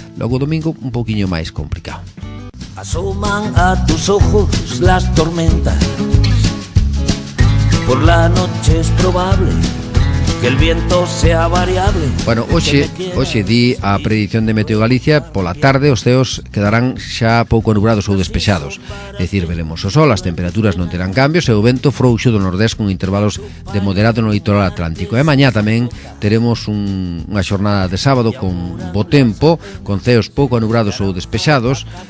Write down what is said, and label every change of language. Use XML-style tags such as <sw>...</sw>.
<gl>Logo domingo un pouquiño máis complicado.</gl> <es>Asoman a tus ojos las tormentas. Por la noche es probable que el viento sea variable.</es> <gl>Bueno, hoxe di a predición de Meteo Galicia, pola tarde os ceos quedarán xa pouco nubrados ou despexados. É dicir, veremos o sol, as temperaturas non terán cambios e o vento frouxo do nordés con intervalos de moderado no litoral atlántico. E mañá tamén teremos unha xornada de sábado con bo tempo, con ceos pouco nubrados ou despexados,</gl>